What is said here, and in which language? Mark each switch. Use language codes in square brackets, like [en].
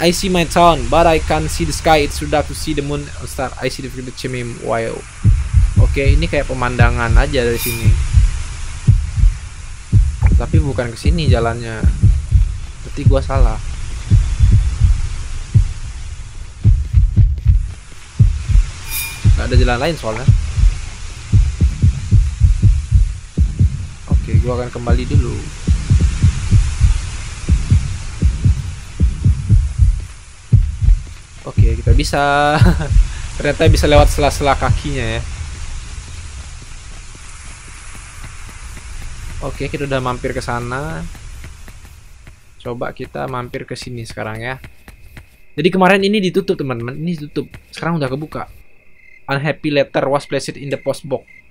[en] I see my town, but I can't see the sky. It's too dark to see the moon or star. I see the chimney wild. [id] Oke, ini kayak pemandangan aja dari sini. Tapi bukan kesini jalannya. Berarti gua salah. Ada jalan lain soalnya. Oke, gua akan kembali dulu. Oke, kita bisa. Ternyata bisa lewat sela-sela kakinya ya. Oke, kita udah mampir ke sana. Coba kita mampir ke sini sekarang ya. Jadi kemarin ini ditutup, teman-teman. Ini ditutup. Sekarang udah kebuka. [en] Unhappy letter was placed in the post box.